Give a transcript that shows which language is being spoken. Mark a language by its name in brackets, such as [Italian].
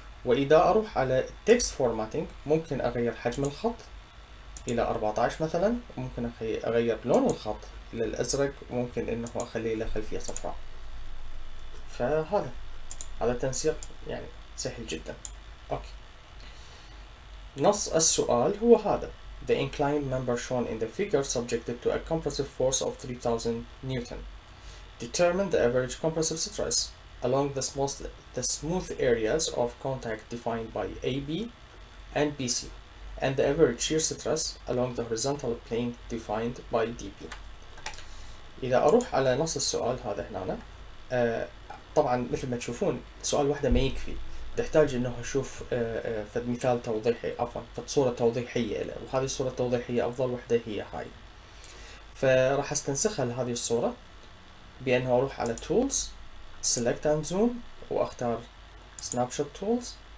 [Arabic] واذا اروح على text formatting ممكن اغير حجم الخط الى 14 مثلا، ممكن اغير لون الخط الى الازرق، ممكن انه اخليه له خلفيه صفراء. فهذا هذا التنسيق يعني سهل جدا. اوكي، نص السؤال هو هذا: [English] The inclined member shown in the figure subjected to a compressive force of 3000 Newton. Determine the average compressive stress along the smooth areas of contact defined by AB and BC and the average shear stress along the horizontal plane defined by DP. [Arabic] إذا أروح على نص السؤال هذا هنا، طبعا مثل ما تشوفون سؤال واحدة ما يكفي، تحتاج انه اشوف في مثال توضيحي، عفوا في صوره توضيحيه، وهذه الصوره التوضيحيه افضل وحده هي هاي. فراح استنسخها لهذه الصوره بانه اروح على تولز سيلكت اند زوم واختار سناب شوت تولز.